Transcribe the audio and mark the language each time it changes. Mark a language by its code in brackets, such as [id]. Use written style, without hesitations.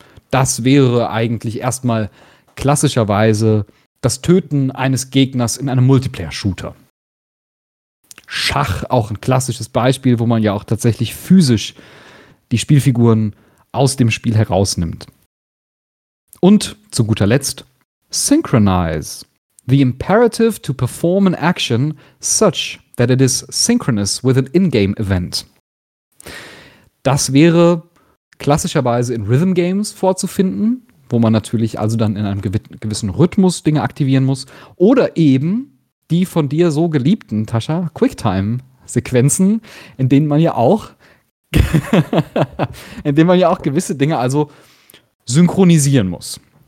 [de] Das wäre eigentlich erstmal klassischerweise das Töten eines Gegners in einem Multiplayer-Shooter. Schach, auch ein klassisches Beispiel, wo man ja auch tatsächlich physisch die Spielfiguren aus dem Spiel herausnimmt. Und zu guter Letzt, synchronize. [en] The imperative to perform an action such that it is synchronous with an in-game event. [de] Das wäre klassischerweise in Rhythm Games vorzufinden, wo man natürlich also dann in einem gewissen Rhythmus Dinge aktivieren muss. Oder eben, die von dir so geliebten, Tascha, Quicktime-Sequenzen, in denen man ja auch gewisse Dinge also synchronisieren muss.